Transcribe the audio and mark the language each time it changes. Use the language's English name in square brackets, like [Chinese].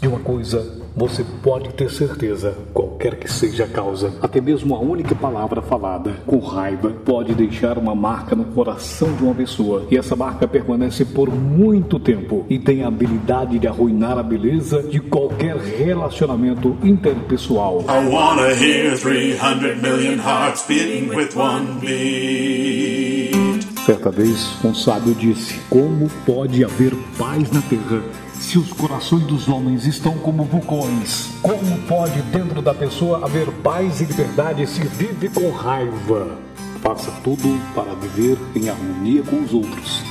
[Portuguese] E uma coisa você pode ter certeza, qualquer que seja a causa, até mesmo a única palavra falada com raiva pode deixar uma marca no coração de uma pessoa. E essa marca permanece por muito tempo e tem a habilidade de arruinar a beleza de qualquer relacionamento interpessoal. [English] I wanna hear 300 million hearts beating with one beat. [Portuguese] Certa vez, um sábio disse: como pode haver paz na Terra se os corações dos homens estão como vulcões? Como pode dentro da pessoa haver paz e liberdade se vive com raiva? Faça tudo para viver em harmonia com os outros.